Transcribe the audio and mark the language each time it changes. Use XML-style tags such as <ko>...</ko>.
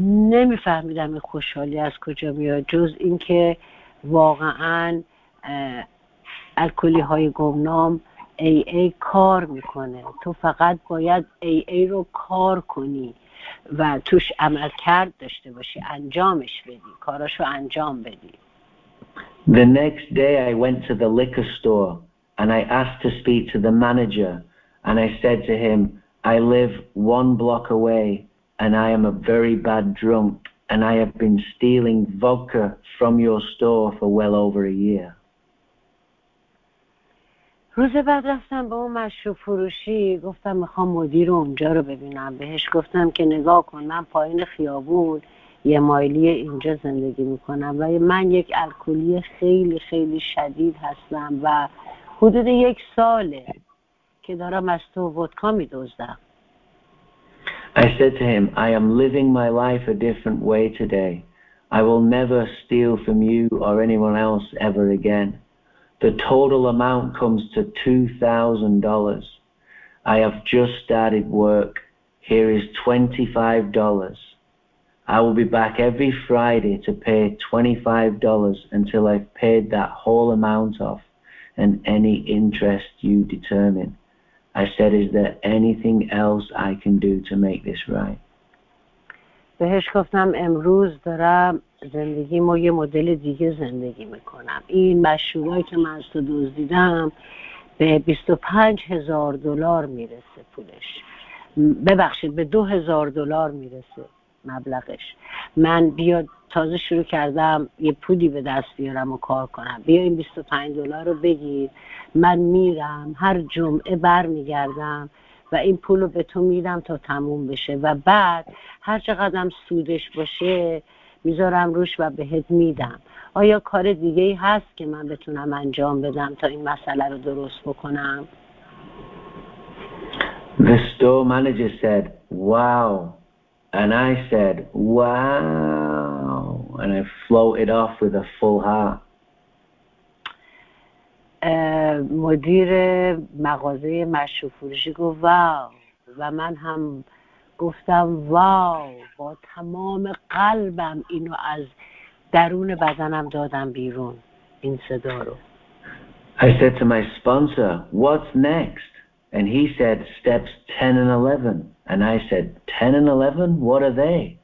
<fa>نمیفهمیدم این خوشحالی از کجا میاد جز اینکه واقعا الکلی های گمنام AA کار میکنه. تو فقط باید AA رو کار کنی و توش عمل کرد داشته باشی، انجامش بدی، کاراشو انجام بدی.</fa> <en>The next day I went to the liquor store and I asked to speak to the manager and I said to him I live 1 block away and I am a very bad drunk and I have been stealing vodka from your store for well over a year.</en> <fa>روز بعد رفتم به اون مشروب فروشی، گفتم میخوام مدیر اونجا رو ببینم. بهش گفتم که نگاه کن، من پایین خیابون یه مایلی اینجا زندگی میکنم و من یک الکلی خیلی خیلی شدید هستم و حدود 1 ساله که دارم از تو ودکا میدوزدم.</fa> <en>I said to him, I am living my life a different way today. I will never steal from you or anyone else ever again. The total amount comes to $2,000. I have just started work. Here is $25. I will be back every Friday to pay $25 until I've paid that whole amount off and any interest you determine. I said, is there anything else I can do to make this right?</en> <fa>بهش گفتم امروز دارم زندگیمو یه مدل دیگه زندگی میکنم. این مشروعی که من از تو دزدیدم به 25,000 دلار میرسه پولش. ببخشید به 2,000 دلار میرسه مبلغش. من بیا تازه شروع کردم یه پولی به دست بیارم و کار کنم. بیا این 25 دلار رو بگیر. من میرم هر جمعه بر میگردم و این پول رو به تو میدم تا تموم بشه و بعد هر چقدرم سودش باشه میذارم روش و بهت میدم. آیا کار دیگه‌ای هست که من بتونم انجام بدم تا این مسئله رو درست بکنم؟</fa> <en>The store manager said, "Wow," and I said, "Wow," and I floated off with a full heart.</en> <fa>مدیر مغازه مشروب‌فروشی گفت واو و من هم گفتم واو، با تمام قلبم اینو از درون بدنم دادم بیرون، این صدا رو.</fa> <en>I said to my sponsor, "What's next?" And he said, "Steps 10 and 11." And I said, "10 and 11? What are they?"</en>